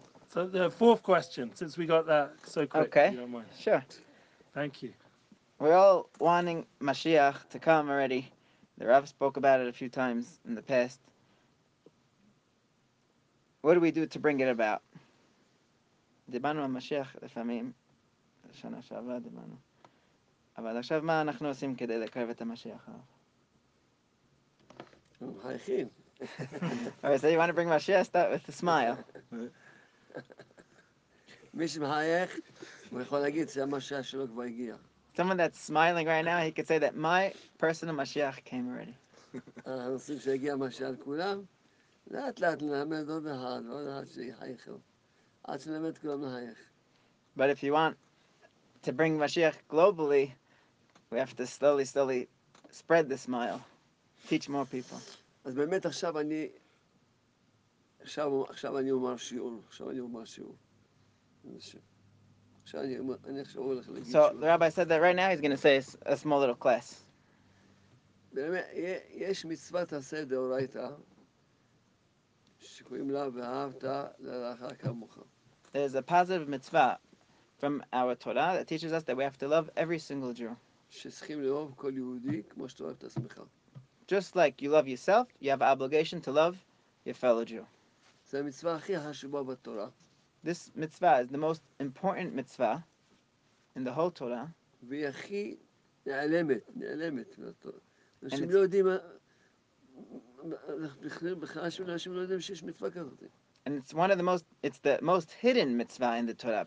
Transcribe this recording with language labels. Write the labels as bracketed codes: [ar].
[en] So the fourth question, since we got that so quick, okay. If you don't mind. Sure. Thank you. We're all wanting Mashiach to come already. The Rav spoke about it a few times in the past. What do we do to bring it about? [he] דיברנו על Mashiach לפעמים, בשנה שעברה דיברנו. אבל עכשיו מה אנחנו עושים כדי לקרב את המשיח? מחייכים. [en] All right, so you want to bring Mashiach, start with a smile. [he] מי שמחייך, הוא יכול להגיד שהמשיח שלו כבר הגיע. [en] Someone that's smiling right now, he could say that my personal Mashiach came already. [he] הנושאים שהגיע המשיח לכולם, לאט לאט נלמד עוד אחד, עוד אחד שיחייכו. עד שנלמד כולם לחייך. [en] But if you want to bring Mashiach globally, we have to slowly, slowly spread the smile. Teach more people. [he] אז באמת עכשיו אני... עכשיו אני אומר שיעור. עכשיו אני אומר שיעור. [en] So the rabbi said that right now he's going to say a small little class. [he] יש מצוות עשה דאורייתא שקוראים לה ואהבת לרעך כמוך. [en] There's a positive mitzvah from our Torah that teaches us that we have to love every single Jew. [he] שצריכים לאהוב כל יהודי כמו שאתה אוהב את עצמך. [en] Just like you love yourself, you have an obligation to love your fellow Jew. This mitzvah is the most important mitzvah in the whole Torah. And it's one of the most, it's the most hidden mitzvah in the Torah.